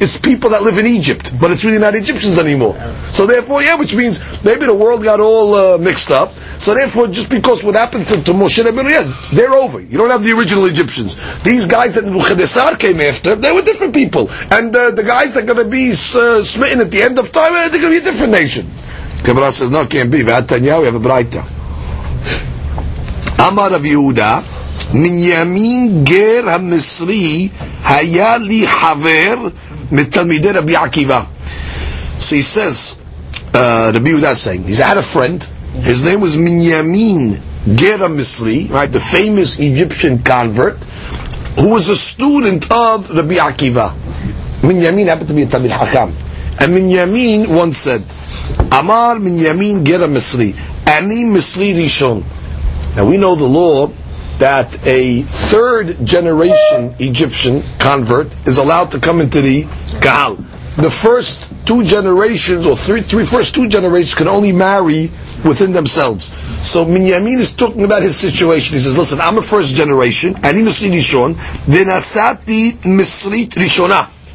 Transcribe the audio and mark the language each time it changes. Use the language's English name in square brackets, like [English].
[English] It's people that live in Egypt. But it's really not Egyptians anymore. So therefore, yeah, which means maybe the world got all mixed up. So therefore, just because what happened to Moshe Rabbeinu, yeah, they're over. You don't have the original Egyptians. These guys that Nebuchadnezzar came after, they were different people. And the guys that are going to be smitten at the end of time, they're going to be a different nation. Gemara says, no, it can't be. V'atanyahu, we have a braita. [Hebrew] Amar of Yehuda, מנימין גר המסרי היה לי חבר מתלמידי רבי עקיבא. [English] So he says, Rabbi Yehuda is saying, he's had a friend, his name was מנימין גר המסרי, right, the famous Egyptian convert, who was a student of רבי עקיבא. [Hebrew] מנימין [English] happened to be a [Hebrew] תלמיד חכם. [English] And מנימין once said, [Hebrew] אמר מנימין גר המסרי, אני מסרי ראשון. [English] Now we know the law, that a third generation Egyptian convert is allowed to come into the Kahal. The first two generations, or first two generations, can only marry within themselves. So Minyamin is talking about his situation. He says, listen, I'm a first generation, [Hebrew] ani misrit rishon, v'nasati misrit rishona.